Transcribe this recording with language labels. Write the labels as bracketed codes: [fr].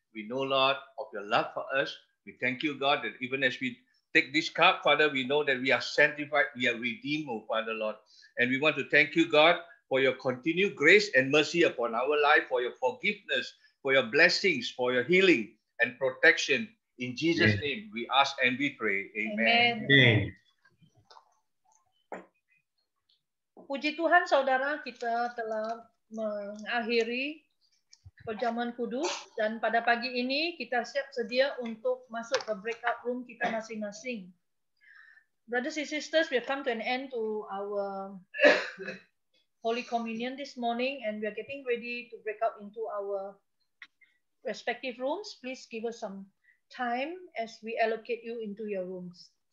[en] We know, Lord, of your love for us. We thank you, God, that even as we take this cup, Father, we know that we are sanctified, we are redeemed, O Father, Lord. And we want to thank you, God, for your continued grace and mercy upon our life, for your forgiveness, for your blessings, for your healing and protection. In Jesus' name, we ask and we pray. Amen. Amen. Amen. [id] Puji Tuhan, saudara, kita telah mengakhiri perjamuan kudus dan pada pagi ini kita siap sedia untuk masuk ke breakout room kita masing-masing. [en] Brothers and sisters, we have come to an end to our Holy Communion this morning and we are getting ready to break out into our respective rooms. Please give us some time as we allocate you into your rooms.